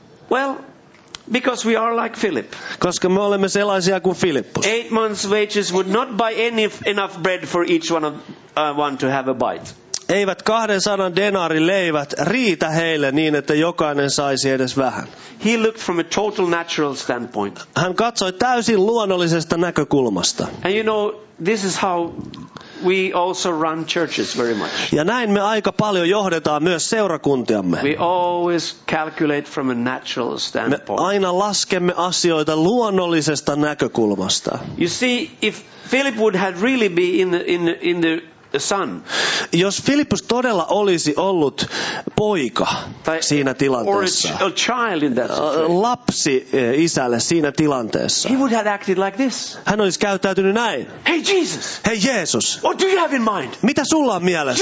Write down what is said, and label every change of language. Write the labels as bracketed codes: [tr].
[en] Well, because we are like Philip. [fi] Koska me olemme sellaisia kuin Filippus. [en] 8 months wages would not buy enough bread for each one to have a bite. [fi] Eivät 200 denaarin leivät riitä heille niin, että jokainen saisi edes vähän. [en] He looked from a total natural standpoint. [fi] Hän katsoi täysin luonnollisesta näkökulmasta. [en] And you know, this is how we also run churches very much. [fi] Ja näin me aika paljon johdetaan myös seurakuntiamme. [en] We always calculate from a natural standpoint. [fi] Me aina laskemme asioita luonnollisesta näkökulmasta. [en] You see, if Philip would have really been in the son. [fi] Jos Filippus todella olisi ollut poika siinä tilanteessa, [en] or a child in that [fi] lapsi isälle siinä tilanteessa, [en] he would have acted like this. [fi] Hän olisi käyttäytynyt näin. [en] Hey Jesus! [fi] Hey Jeesus! [en] What do you have in mind? [fi] Mitä sulla on mielessä?